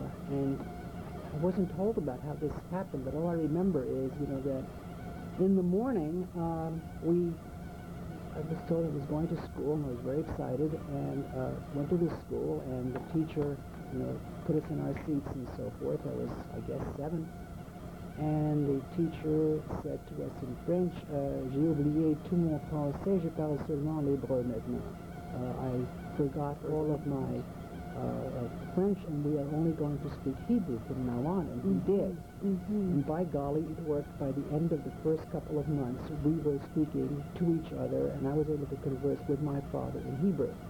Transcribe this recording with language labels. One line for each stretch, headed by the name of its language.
English: And I wasn't told about how this happened, but all I remember is, you know, that in the morning, I was told I was going to school, and I was very excited, and went to the school, and the teacher, you know, put us in our seats and so forth. I was, I guess, seven. And the teacher said to us in French,
French: j'ai oublié tout mon français, je parle seulement l'hébreu maintenant.
English: I forgot all of my French, and we are only going to speak Hebrew from now on, and mm-hmm. he did. Mm-hmm. And by golly, it worked. By the end of the first couple of months, we were speaking to each other, and I was able to converse with my father in Hebrew.